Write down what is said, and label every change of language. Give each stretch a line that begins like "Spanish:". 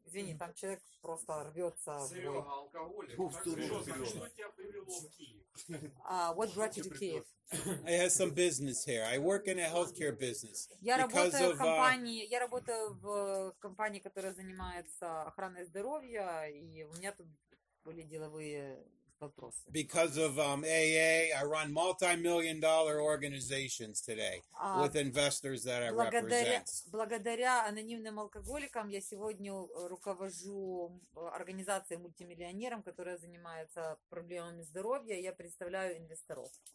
Russian: Извини, там человек просто рвется. Серега, алкоголик. Что тебя привело в Киев?
English: What brought you to Kiev? I have some business here. I work in a healthcare business.
Russian: Я работаю в компании, которая занимается охраной здоровья, и у меня тут были деловые...
English: Because of AA, I run multi-million dollar organizations today with investors that I represent.
Russian: Благодаря анонимным алкоголикам я сегодня руковожу организацией мультимиллионером, которая занимается проблемами здоровья. Я представляю инвесторов.